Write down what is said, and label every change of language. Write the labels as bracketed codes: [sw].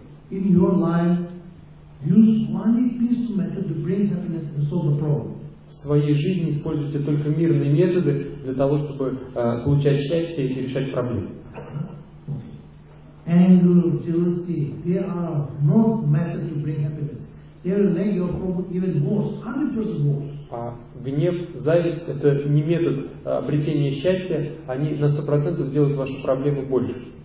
[en] In your life, use only peaceful method to bring happiness and solve the problem. [ru] В своей жизни используйте только мирные методы для того, чтобы получать счастье и решать проблемы. [en] Anger, jealousy, they are not methods to bring happiness. They will make your problem even worse, 100% worse. [ru] А гнев, зависть – это не метод обретения счастья, они на 100% сделают вашу проблему больше.